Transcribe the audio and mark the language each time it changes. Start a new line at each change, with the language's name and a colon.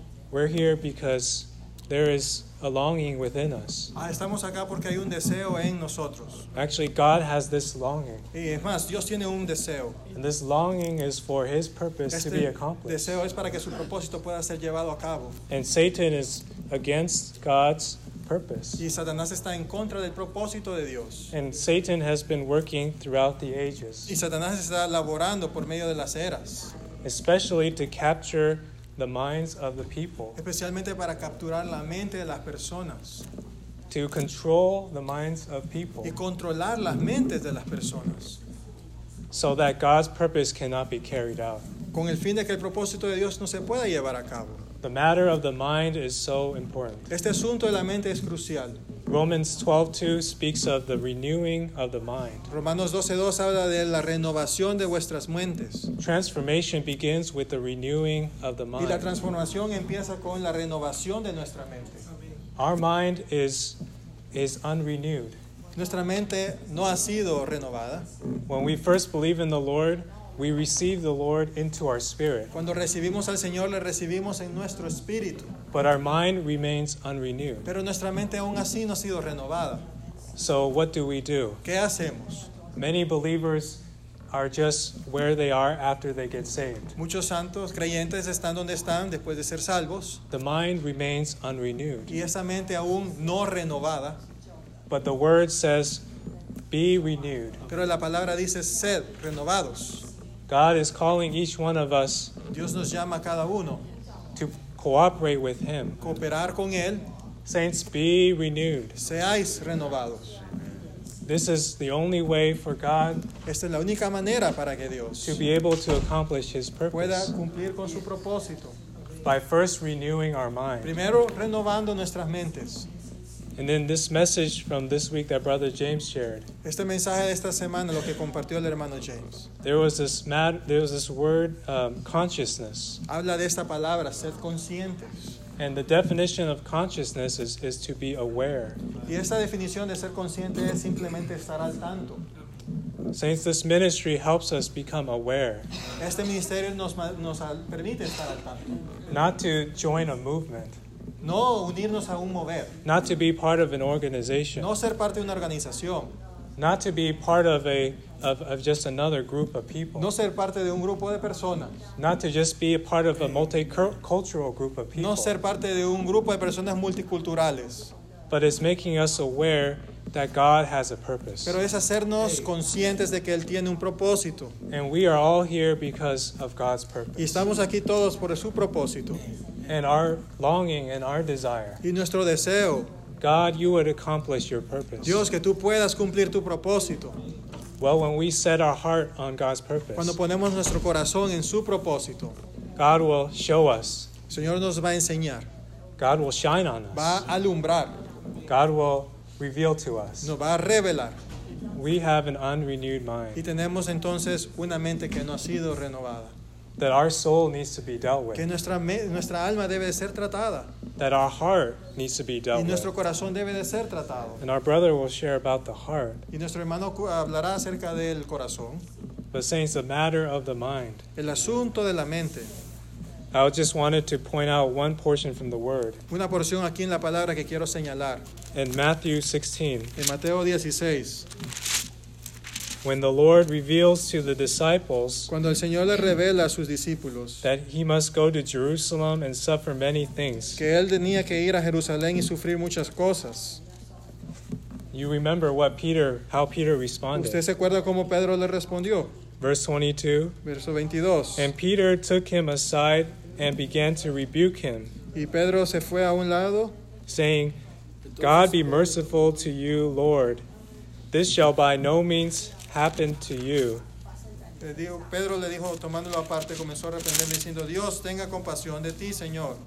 English: We're here because there is a longing within us.
Spanish: Estamos acá porque hay un deseo en nosotros.
English: Actually, God has this longing.
Spanish: Y es más, Dios tiene un deseo.
English: And this longing is for His purpose to be accomplished.
Spanish: Deseo es para que su propósito pueda ser llevado a cabo.
English: And Satan is against God's purpose.
Spanish: Y Satanás está en contra del propósito de Dios.
English: And Satan has been working throughout the ages.
Spanish: Y Satanás está laborando por medio de las eras.
English: Especially to capture the minds of the people.
Spanish: Especialmente para capturar la mente de las personas.
English: To control the minds of people.
Spanish: Y controlar las mentes de las personas.
English: So that God's purpose cannot be carried out.
Spanish: Con el fin de que el propósito de Dios no se pueda llevar a cabo.
English: The matter of the mind is so important.
Spanish: Este asunto de la mente es crucial.
English: Romans 12:2 speaks of the renewing of the mind.
Spanish: Romanos 12:2 habla de la renovación de vuestras mentes.
English: Transformation begins with the renewing of the mind.
Spanish: Y la transformación empieza con la renovación de nuestra mente.
English: Our mind is unrenewed.
Spanish: Nuestra mente no ha sido renovada.
English: When we first believe in the Lord, we receive the Lord into our spirit.
Spanish: Cuando recibimos al Señor, le recibimos en nuestro espíritu.
English: But our mind remains unrenewed.
Spanish: Pero nuestra mente aún así no ha sido renovada.
English: So what do we do?
Spanish: ¿Qué hacemos?
English: Many believers are just where they are after they get saved.
Spanish: Muchos santos creyentes están donde están después de ser salvos.
English: The mind remains unrenewed.
Spanish: Y esa mente aún no renovada.
English: But the word says, be renewed.
Spanish: Pero la palabra dice, sed renovados.
English: God is calling each one of us.
Spanish: Dios nos llama a cada uno.
English: To cooperate with Him.
Spanish: Cooperar con Él.
English: Saints, be renewed.
Spanish: Seáis renovados.
English: This is the only way for God.
Spanish: Esta es la única manera para que Dios.
English: To be able to accomplish His purpose.
Spanish: Pueda cumplir con su propósito.
English: By first renewing our mind.
Spanish: Primero renovando nuestras mentes.
English: And then this message from this week that Brother James shared.
Spanish: Este mensaje de esta semana, lo que compartió el hermano James.
English: There was this word, consciousness.
Spanish: Habla de esta palabra, ser conscientes.
English: And the definition of consciousness is to be aware.
Spanish: Y esta definición de ser consciente es simplemente estar al tanto.
English: Saints, this ministry helps us become aware.
Spanish: Este ministerio nos permite estar al tanto.
English: Not to join a movement.
Spanish: No unirnos a un mover.
English: Not to be part of an organization.
Spanish: No ser parte de una organización.
English: Not to be part of a just another group of people.
Spanish: No ser parte de un grupo de personas.
English: Not to just be a part of a multicultural group of people.
Spanish: No ser parte de un grupo de personas multiculturales.
English: But it's making us aware that God has a purpose.
Spanish: Pero es hacernos conscientes de que Él tiene un propósito.
English: And we are all here because of God's purpose.
Spanish: Y estamos aquí todos por su propósito.
English: And our longing and our desire.
Spanish: Y nuestro deseo.
English: God, you would accomplish your purpose.
Spanish: Dios, que tú puedas cumplir tu propósito.
English: Well, when we set our heart on God's purpose.
Spanish: Cuando ponemos nuestro corazón en su propósito.
English: God will show us.
Spanish: El Señor nos va a enseñar.
English: God will shine on us.
Spanish: Va a alumbrar.
English: God will reveal to us.
Spanish: Nos va a revelar.
English: We have an unrenewed mind.
Spanish: Y tenemos entonces una mente que no ha sido renovada.
English: That our soul needs to be dealt with.
Spanish: Que nuestra alma debe de ser tratada.
English: That our heart needs to be dealt with.
Spanish: Y nuestro corazón debe de ser tratado.
English: And our brother will share about the heart.
Spanish: Y nuestro hermano hablará acerca del corazón.
English: But saying it's a matter of the mind.
Spanish: El asunto de la mente.
English: I just wanted to point out one portion from the Word.
Spanish: Una porción aquí en la palabra que quiero señalar.
English: In Matthew 16.
Spanish: En Mateo 16.
English: When the Lord reveals to the disciples.
Spanish: Cuando el Señor le revela a sus discípulos.
English: That he must go to Jerusalem and suffer many things.
Spanish: Que él tenía que ir a Jerusalén y sufrir muchas cosas.
English: You remember how Peter responded.
Spanish: ¿Usted se acuerda cómo Pedro le respondió?
English: Verse 22.
Spanish: Verso 22.
English: And Peter took him aside and began to rebuke him.
Spanish: Y Pedro se fue a un lado.
English: Saying, God be merciful to you, Lord. This shall by no means happen to you.
Spanish: Pedro le dijo, tomándolo aparte, comenzó a reprenderme diciendo, Dios tenga compasión de ti, Señor.